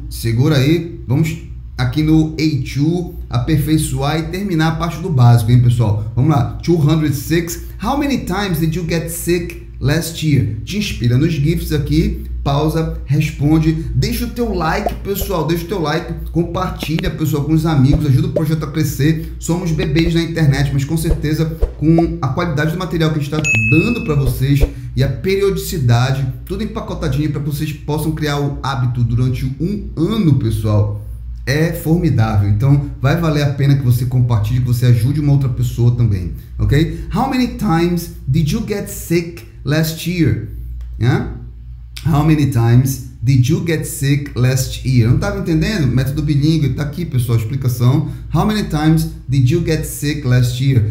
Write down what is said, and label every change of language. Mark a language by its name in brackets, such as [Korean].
[Portuguese] Segura aí, vamos aqui no A2 aperfeiçoar e terminar a parte do básico, hein, pessoal? Vamos lá, 206. [English] How many times did you get sick last year? [Portuguese] Te inspira nos GIFs aqui. Pausa, responde, deixa o teu like, pessoal, deixa o teu like, compartilha, pessoal, com os amigos, ajuda o projeto a crescer. Somos bebês na internet, mas com certeza, com a qualidade do material que a gente está dando para vocês e a periodicidade, tudo empacotadinho para vocês possam criar o hábito durante um ano, pessoal, é formidável. Então, vai valer a pena que você compartilhe, que você ajude uma outra pessoa também, ok? [English] How many times did you get sick last year? Yeah? How many times did you get sick last year? [Portuguese] Não estava entendendo? Método bilíngue, está aqui, pessoal, a explicação. [English] How many times did you get sick last year?